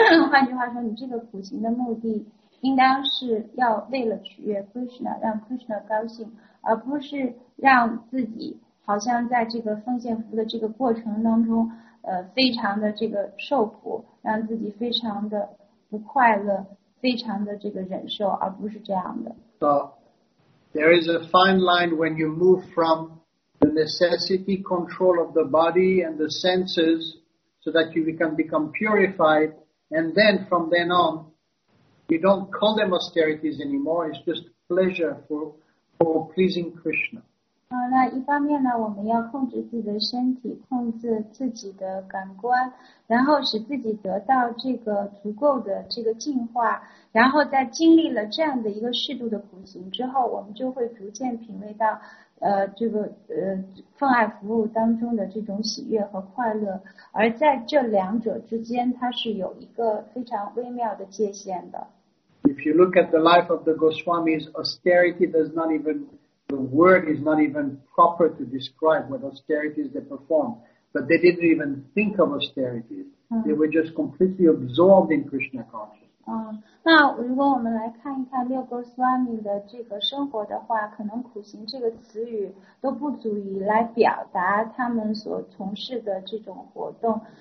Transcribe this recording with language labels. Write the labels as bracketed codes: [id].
[zh] 换句话说，你这个苦行的目的应当是要为了取悦 Krishna, 让 Krishna 高兴，而不是让自己好像在这个奉献服务的这个过程当中，非常的这个受苦，让自己非常的不快乐，非常的这个忍受，而不是这样的。 [en] So, there is a fine line when you move from the necessity control of the body and the senses so that you can become purified, and then from then on, you don't call them austerities anymore, it's just pleasure for pleasing Krishna. [zh] 那一方面呢，我们要控制自己的身体，控制自己的感官，然后使自己得到这个足够的这个净化，然后在经历了这样的一个适度的苦行之后，我们就会逐渐品味到这个奉爱服务当中的这种喜悦和快乐，而在这两者之间它是有一个非常微妙的界限的。 [en] If you look at the life of the Goswamis, austerity does not evenThe word is not even proper to describe what austerities they perform. But they didn't even think of austerities. They were just completely absorbed in Krishna consciousness. [zh] 那如果我们来看一看六个 Swami 的这个生活的话，可能苦行这个词语都不足以来表达他们所从事的这种活动。